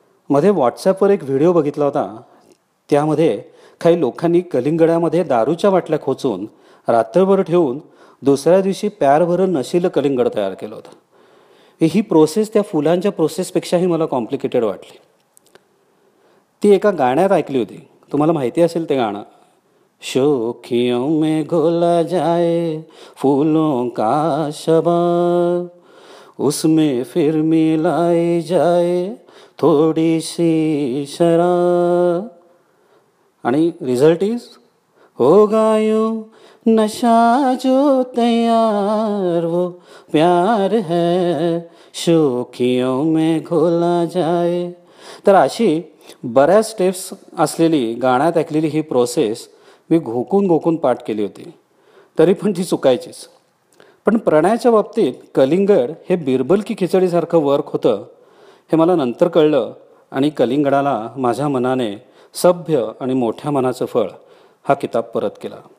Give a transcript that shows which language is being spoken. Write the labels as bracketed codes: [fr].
[mr] मध्ये व्हॉट्सॲपवर एक व्हिडिओ बघितला होता, त्यामध्ये काही लोकांनी कलिंगडामध्ये दारूच्या बाटल्या खोचून रात्रभर ठेवून दुसऱ्या दिवशी प्यारभरं नशील कलिंगड तयार केलं होतं. ही प्रोसेस त्या फुलांच्या प्रोसेसपेक्षाही मला कॉम्प्लिकेटेड वाटली. ती एका गाण्यात ऐकली होती, तुम्हाला माहिती असेल ते गाणं, [hi] शोखियों में घोला जाए फूलों का शबाब उसमें फिर मिलाए जाए थोड़ी सी शराब. [mr] आणि [en] result is [hi] हो गायो नशा जो तयार वो प्यार है शोखियों में घोला जाए. [mr] तर अशी बऱ्याच स्टेप्स असलेली गाण्यात ऐकलेली ही प्रोसेस मी घोकून घोकून पाठ केली होती, तरी पण ती चुकायचीच. पण प्रणयाच्या बाबतीत कलिंगड हे बिरबल की खिचडीसारखं वर्क होतं हे मला नंतर कळलं, आणि कलिंगडाला माझ्या मनाने सभ्य आणि मोठ्या मनाचं फळ हा किताब परत केला.